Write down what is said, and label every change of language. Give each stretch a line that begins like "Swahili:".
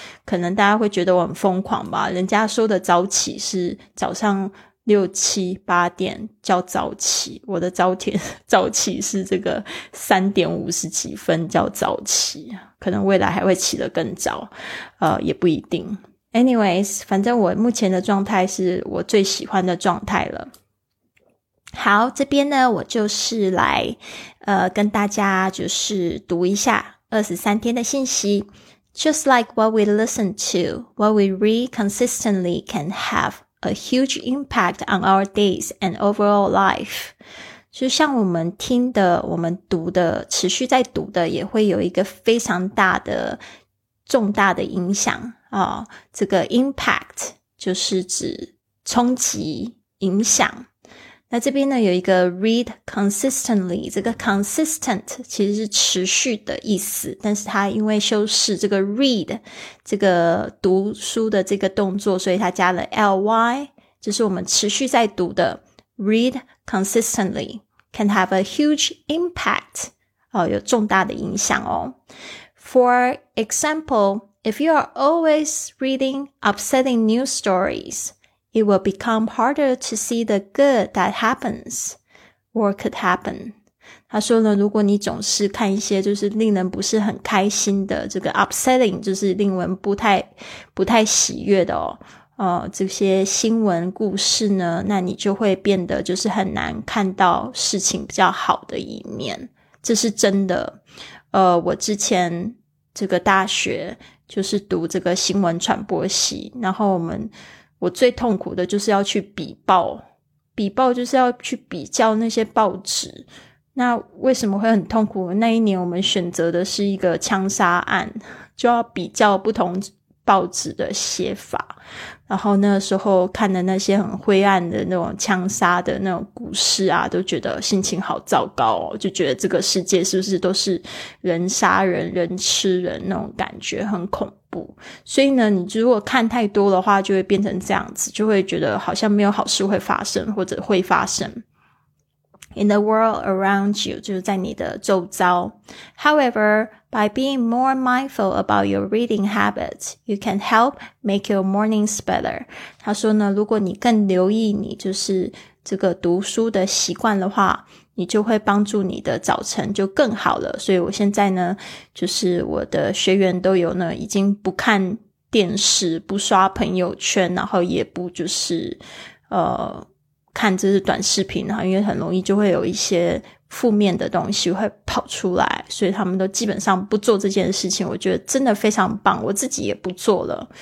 Chinese: 可能大家会觉得我很疯狂吧，人家说的早起是早上六七八点叫早起，我的早起是这个3点50几分叫早起，可能未来还会起得更早，也不一定。 Anyways， 反正我目前的状态是我最喜欢的状态了。好，这边呢我就是来跟大家就是读一下23天的信息。
English: Just like what we listen to, what we read consistently can have a huge impact on our days and overall life.
Chinese: 就像我们听的，我们读的，持续在读的，也会有一个非常大的，重大的影响。哦，这个 impact 就是指冲击，影响。那这边呢有一个
English: read consistently， 这个 consistent 其实是持续的意思，但是它因为修饰这个 read 这个读书的这个动作，所以它加了 ly， 就是我们持续在读的 read consistently can have a huge impact，
Chinese: 哦，有重大的影响哦。
English: For example, if you are always reading upsetting news storiesIt will become harder to see the good that happens or could happen.
Chinese: 他说呢，如果你总是看一些就是令人不是很开心的，这个 upsetting 就是令人不太喜悦的哦，这些新闻故事呢，那你就会变得就是很难看到事情比较好的一面。这是真的。我之前这个大学就是读这个新闻传播系，然后我最痛苦的就是要去比报，比报就是要去比较那些报纸。那为什么会很痛苦？那一年我们选择的是一个枪杀案，就要比较不同报纸的写法。然后那时候看的那些很灰暗的那种枪杀的那种故事啊，都觉得心情好糟糕哦，就觉得这个世界是不是都是人杀人、人吃人那种感觉，很恐怖。所以呢，你如果看太多的话，就会变成这样子，就会觉得好像没有好事会发生，或者会发生。
English: In the world around you,
Chinese: 就是在你的周遭。
English: However, by being more mindful about your reading habits, you can help make your mornings better.
Chinese: 他说呢，如果你更留意你就是这个读书的习惯的话，你就会帮助你的早晨就更好了。所以我现在呢，就是我的学员都有呢，已经不看电视，不刷朋友圈，然后也不就是看这些短视频，因为很容易就会有一些负面的东西会跑出来，所以他们都基本上不做这件事情。我觉得真的非常棒，我自己也不做了。